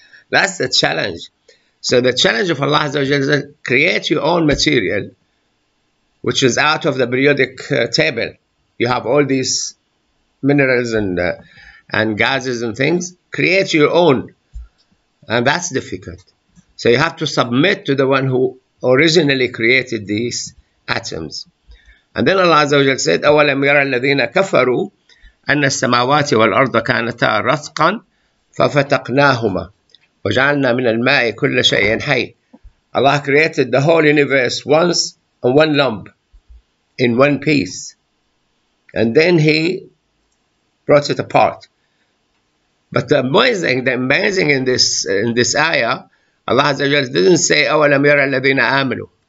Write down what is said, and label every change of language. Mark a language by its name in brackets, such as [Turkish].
[English] That's the challenge. So the challenge of Allah Azza wa Jalla is to create your own material, which is out of the periodic table. You have all these minerals and gases and things. Create your own. And that's difficult. So you have to submit to the one who originally created these atoms. And then Allah Azza wa Jalla said, [Arabic] أَوَلَمْ يَرَى الَّذِينَ كَفَرُوا أَنَّ السَّمَاوَاتِ وَالْأَرْضَ كَانَتَا رَتْقًا فَفَتَقْنَاهُمَا وَجَعَلْنَا مِنَ الْمَاءِ كُلَّ شَيْءٍ حَيٍّ. [English] Allah created the whole universe once in one lump, in one piece. And then He brought it apart. But the amazing in this ayah, Allah Azza wa Jalla didn't say, [Arabic] أَوَلَمْ يَرَى الَّذِينَ آمَنُوا.